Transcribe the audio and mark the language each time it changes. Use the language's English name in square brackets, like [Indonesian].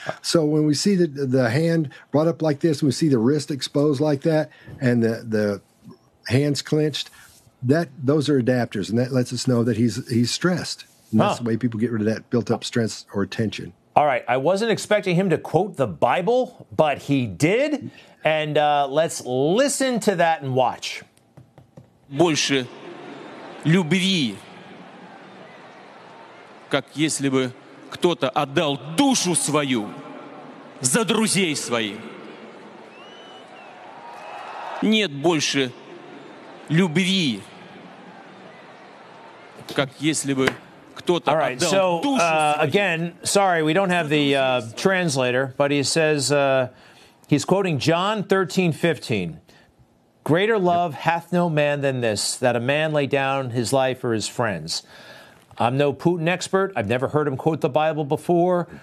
[English] So when we see the hand brought up like this, and we see the wrist exposed like that and the hands clenched, those are adapters, and that lets us know that he's stressed. And that's the way people get rid of that built-up stress or tension. All right. I wasn't expecting him to quote the Bible, but he did. And let's listen to that and watch. [Russian] Больше любви, как если бы кто-то отдал душу свою за друзей своих. Нет больше любви, как если бы... [English] All right, so again, sorry, we don't have the translator, but he says, he's quoting John 13:15. Greater love hath no man than this, that a man lay down his life for his friends. I'm no Putin expert. I've never heard him quote the Bible before.